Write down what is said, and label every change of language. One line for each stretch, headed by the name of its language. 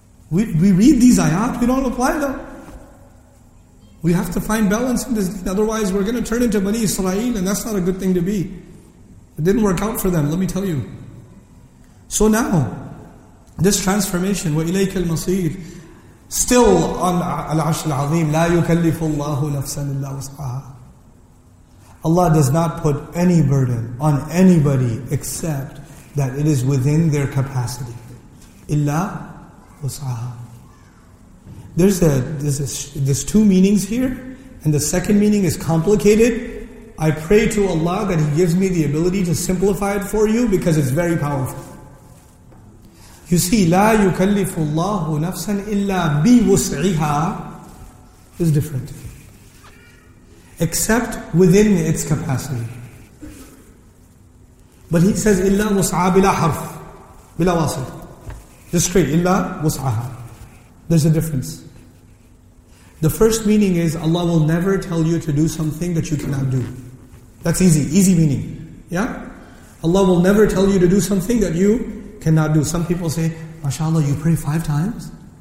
English: We read these ayat, we don't apply them. We have to find balance in this. Otherwise we're going to turn into Bani Israel, and that's not a good thing to be. It didn't work out for them, let me tell you. So now, this transformation, وَإِلَيْكَ الْمَصِيرِ.
Arabic: Still on Al-Arsh Al-Azim, لَا يُكَلِّفُ اللَّهُ نَفْسًا إِلَّا وُسْعَهَا.
English: Allah does not put any burden on anybody except that it is within their capacity.
Arabic: إِلَّا وُسْعَهَا.
English: There's two meanings here, and the second meaning is complicated. I pray to Allah that He gives me the ability to simplify it for you because it's very powerful.
Arabic: You see, لَا يُكَلِّفُ اللَّهُ نَفْسًا إِلَّا بِوُسْعِهَا is different.
English: Except within its capacity.
Arabic: But he says, إِلَّا وُسْعَى بِلَا حَرْفِ بِلَا وَاسِطِ.
English: Just straight, إِلَّا وُسْعَهَا. There's a difference. The first meaning is, Allah will never tell you to do something that you cannot do. That's easy, easy meaning. Yeah? Allah will never tell you to do something that you cannot do. Some people say, MashaAllah, you pray 5 times?